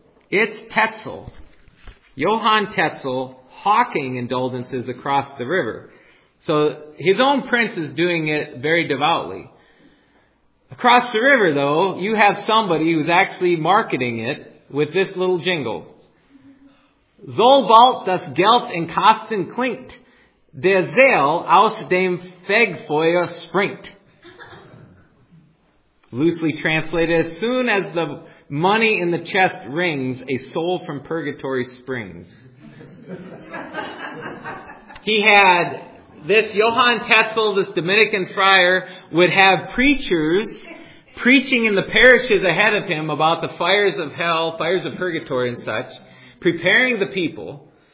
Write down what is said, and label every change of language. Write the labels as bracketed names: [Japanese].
[English] It's Tetzel. Johann Tetzel hawking indulgences across the river. So his own prince is doing it very devoutly. Across the river, though, you have somebody who's actually marketing it with this little jingle. [German] Soll bald das Geld in Kasten klingt, der Seel aus dem Fegfeuer springt. [English] Loosely translated, as soon as the money in the chest rings, a soul from purgatory springs. He had this Johann Tetzel, this Dominican friar, would have preachers preaching in the parishes ahead of him about the fires of hell, fires of purgatory and such, preparing the people.